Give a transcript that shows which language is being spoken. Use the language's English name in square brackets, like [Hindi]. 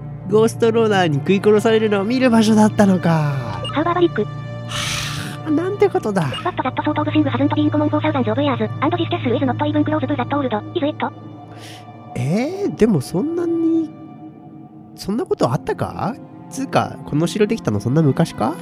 [Japanese] ゴーストローナーに食い殺されるのを見る場所だったのか。 [English] ハウバーバリック。 [Japanese] はぁ、なんてことだ。 [English] What that sort of thing hasn't been common for thousands of years, and this castle is not even close to that old, is it? [Japanese] でもそんなに、そんなことあったか？つうか、この城できたのそんな昔か？